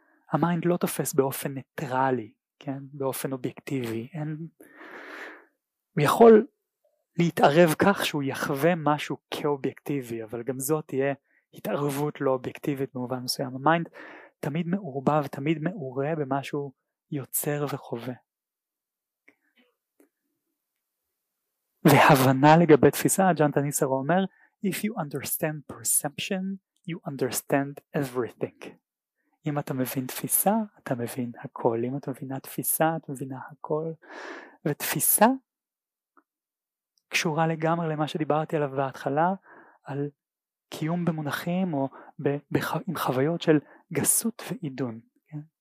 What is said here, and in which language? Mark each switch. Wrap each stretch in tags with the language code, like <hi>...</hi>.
<he>המיינד לא תופס באופן ניטרלי. כן, באופן אובייקטיבי, הוא יכול להתערב כך שהוא יחווה משהו כאובייקטיבי, אבל גם זאת תהיה התערבות לא אובייקטיבית במובן מסוים. המיינד תמיד מעורבב, תמיד מעורה במשהו יוצר וחווה. והבנה לגבי תפיסה, ג'אנטה ניסרו אומר,</he> <en>If you understand perception, you understand everything.</en> <he>אם אתה מבין תפיסה, אתה מבין הכל. אם אתה מבינה תפיסה, אתה מבינה הכל. ותפיסה קשורה לגמרי למה שדיברתי עליו בהתחלה, על קיום במונחים או עם חוויות של גסות ועידון. כן?</he>